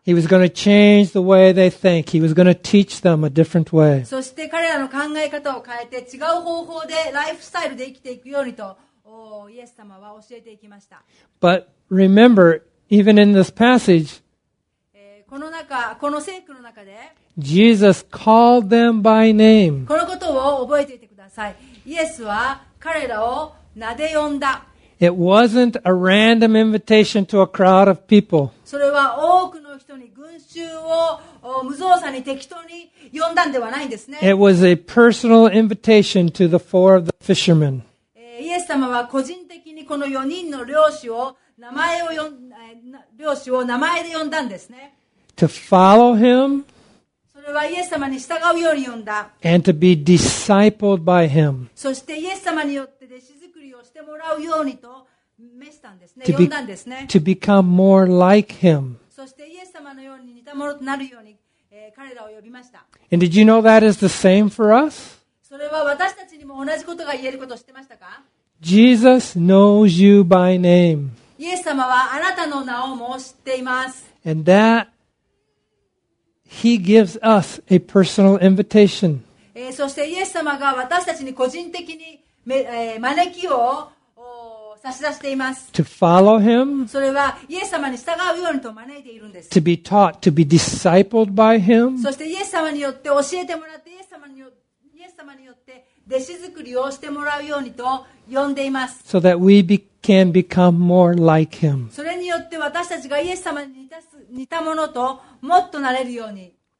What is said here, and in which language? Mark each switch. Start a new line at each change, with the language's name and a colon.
English: He was going to change the way they think. He was going to teach them a different way.
Japanese: そして彼らの考え方を変えて違う方法でライフスタイルで生きていくようにとイエス様は教えていきました。
English: But remember, even in this passage,
Japanese: この聖句の中で、
English: Jesus called them by name.
Japanese: このことを覚えていてください。イエスは彼らを名で呼んだ。
English: It wasn't a random invitation to a crowd of people.
Japanese: それは多くの人に群衆を無造作に適当に呼んだんではないんですね。
English: It was a personal invitation to the four of the fishermen.
Japanese: イエス様は個人的にこの4人の漁師を名前で呼んだんですね。
English: To follow him.
Japanese: それはイエス様に従うように呼んだ。
English: And to be discipled by him.
Japanese: そしてイエス様によって弟子作りをしてもらうようにと召したんですね。呼んだんですね。
English: To become more like him.
Japanese: そしてイエス様のように似たものとなるように、彼らを呼びました。
English: And did you know that is the same for us?
Japanese: それは私たちにも同じことが言えることを知ってましたか?
English: Jesus knows you by name.
Japanese: イエス様はあなたの名をも知っています。
English: And that He gives us a personal invitation.
Japanese: そしてイエス様が私たちに個人的に招きを差し出しています。
English: To follow him.
Japanese: それはイエス様に従うようにと招いているんです。
English: To be taught, to be discipled by him.
Japanese: そしてイエス様によって教えてもらって、イエス様によって弟子作りをしてもらうようにと呼んでいます。
English: So that we can become more like him.
Japanese: それによって私たちがイエス様に似たものともっとなれるように。